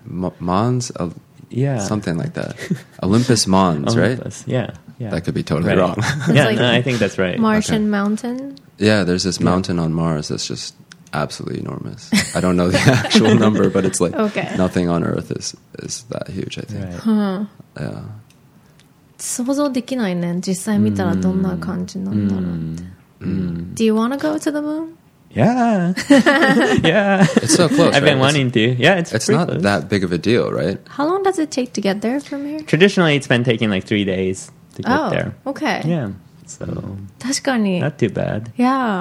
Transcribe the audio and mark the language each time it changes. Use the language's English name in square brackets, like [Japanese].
[English] Mons? Something like that. Olympus Mons, Right? Olympus, yeah. That could be totally wrong. Yeah, like no, I think that's right. Martian mountain? Yeah, there's this mountain on Mars that's just absolutely enormous. I don't know the actual number, but it's like nothing on Earth is that huge, I think. Right. Huh. Yeah. [Japanese] 想像できないね。実際見たらどんな感じなんだろうって。 [English] Do you want to go to the moon? Yeah. Yeah. It's so close. I've been wanting to. Yeah, it's not close. That big of a deal, right? How long does it take to get there from here? Traditionally, it's been taking like 3 days to get there. Oh, okay. Yeah. So. [Japanese] 確かに. [English] Not too bad. Yeah.